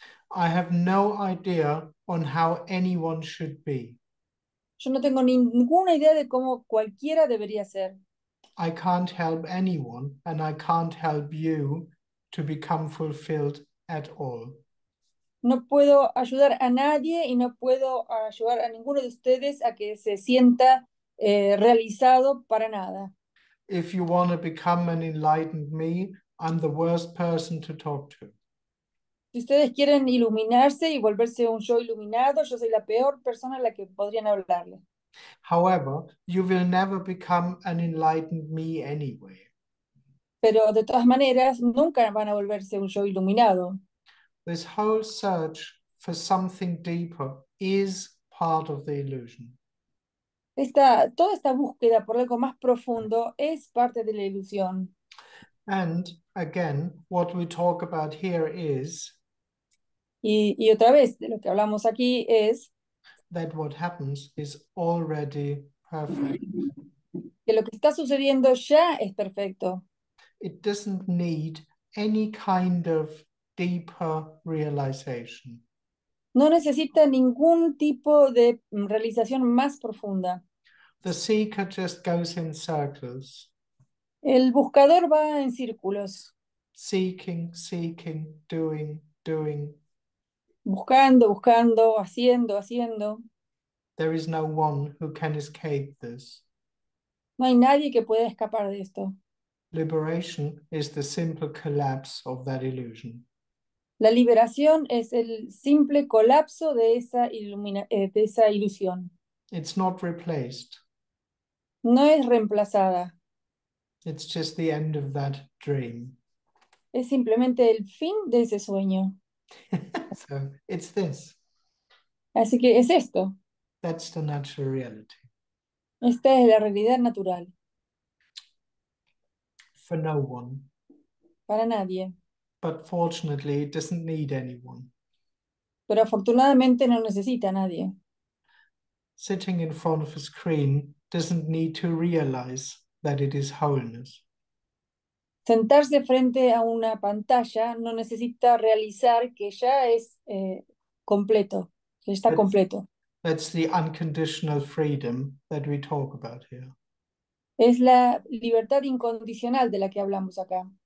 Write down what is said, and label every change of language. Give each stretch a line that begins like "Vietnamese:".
English: I have no idea on how anyone should be.
Spanish: Yo no tengo ninguna idea de cómo cualquiera debería ser.
English: I can't help anyone, and I can't help you to become fulfilled at all.
Spanish: No puedo ayudar a nadie y no puedo ayudar a ninguno de ustedes a que se sienta realizado para nada.
English: If you want to become an enlightened me, I'm the worst person to talk to.
Spanish: Si ustedes quieren iluminarse y volverse un yo iluminado, yo soy la peor persona a la que podrían hablarle.
English: However, you will never become an enlightened me anyway.
Spanish: Pero de todas maneras, nunca van a volverse un yo iluminado.
English: This whole search for something deeper is part of the illusion.
Spanish: Toda esta búsqueda por algo más profundo es parte de la ilusión.
English: And again, what we talk about here is
Spanish: Y otra vez, de lo que hablamos aquí es
English: that what happens is already perfect.
Spanish: que lo que está sucediendo ya es perfecto.
English: It doesn't need any kind of deeper realization.
Spanish: No necesita ningún tipo de realización más profunda.
English: The seeker just goes in circles.
Spanish: El buscador va en círculos.
English: Seeking, seeking, doing, doing.
Spanish: Buscando, buscando, haciendo, haciendo.
English: There is no one who can escape this.
Spanish: No hay nadie que pueda escapar de esto.
English: Liberation is the simple collapse of that illusion.
Spanish: La liberación es el simple colapso de esa ilusión.
English: It's not replaced.
Spanish: No es reemplazada.
English: It's just the end of that dream.
Spanish: Es simplemente el fin de ese sueño.
English: So it's this.
Spanish: Así que es esto.
English: That's the natural reality.
Spanish: Esta es la realidad natural.
English: For no one.
Spanish: Para nadie.
English: But fortunately, it doesn't need anyone.
Spanish: Pero afortunadamente no necesita a nadie.
English: Sitting in front of a screen doesn't need to realize that it is wholeness.
Spanish: Sentarse frente a una pantalla no necesita realizar que ya es completo, que está completo.
English: That's the unconditional freedom that we talk about here.
Spanish: Es la libertad incondicional de la que hablamos acá.